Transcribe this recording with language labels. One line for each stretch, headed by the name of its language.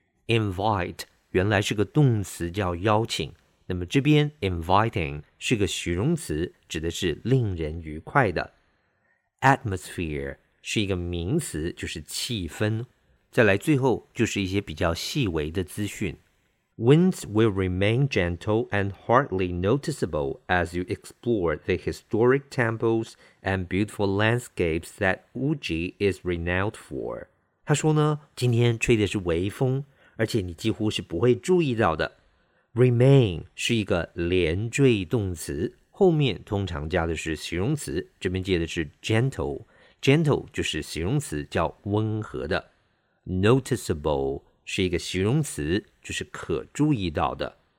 Chinese: Invite, 原来是个动词叫邀请。那么这边 inviting 是个形容词指的是令人愉快的。 Atmosphere, 是一个名词就是气氛。再来最后就是一些比较细微的资讯。
English: Winds will remain gentle and hardly noticeable as you explore the historic temples and beautiful landscapes that Uji is renowned for.
Chinese: 他说呢，今天吹的是微风，而且你几乎是不会注意到的。 Remain 是一个连缀动词，后面通常加的是形容词，这边接的是 gentle。 Gentle 就是形容词，叫温和的。Noticeable 是一个形容词，就是可注意到的。